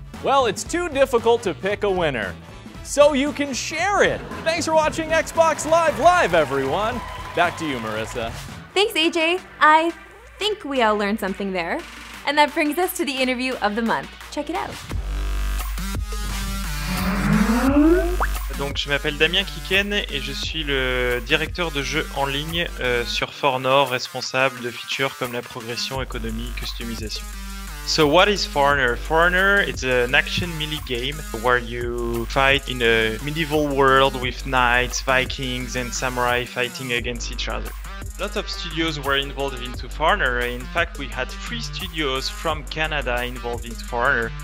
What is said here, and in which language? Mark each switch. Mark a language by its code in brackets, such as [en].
[en] Well, it's too difficult to pick a winner. So you can share it. Thanks for watching Xbox Live Live, everyone. Back to you, Marissa. Thanks, AJ. I think we all learned something there. And that brings us to the interview of the month. Check it out. [fr] Donc, je m'appelle Damien Kiken et je suis le directeur de jeu en ligne sur Fornor, responsable de features comme la progression, économie, customisation. [en] So what is Fornor? Fornor, it's an action melee game where you fight in a medieval world with knights, vikings and samurai fighting against each other. Lots of studios were involved into Fornor. In fact, we had 3 studios from Canada involved in Fornor.